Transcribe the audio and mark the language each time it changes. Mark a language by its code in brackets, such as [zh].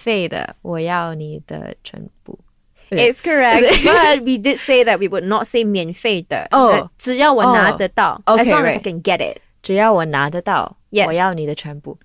[zh] 只要免费的,我要你的全部。 [en] It's correct, but we did say that we would not say 免费的. Oh, [zh] 只要我拿得到, [en] okay, as long right. as I can get it. [zh] 只要我拿得到, 我要你的全部.